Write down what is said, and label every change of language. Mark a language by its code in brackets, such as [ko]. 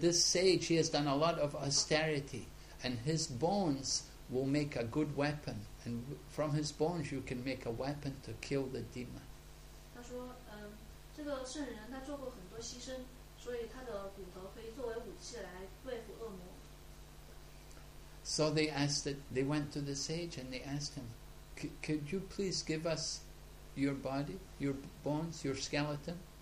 [en] this sage, he has done a lot of austerity, and his bones will make a good weapon, and from his bones you can make a weapon to kill the demon. [zh] 他说，这个圣人他做过很多牺牲，所以他的骨头可以作为武器来对付恶魔。 [en] So they asked it. They went to the sage and they asked him, "Could you please give us?" Your body, your bones, your skeleton.